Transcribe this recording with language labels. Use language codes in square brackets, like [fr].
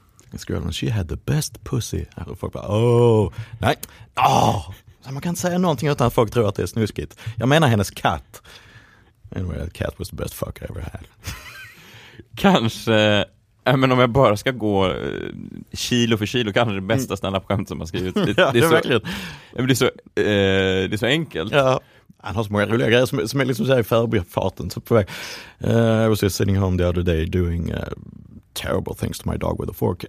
[en] This girl, and she had the best pussy. [sv] Och folk bara, oh, nej. Oh. Man kan inte säga någonting utan att folk tror att det är snuskigt. Jag menar hennes katt. [en] Anyway, that cat was the best fuck I ever had. [sv] Kanske, men om jag bara ska gå kilo för kilo, kanske det bästa stand-up-skämt som man skrivit. Det är så enkelt. Ja. Han har så många roliga grejer som är liksom så här i förbifarten. Så på väg. [en] I was just sitting home the other day doing terrible things to my dog with a fork.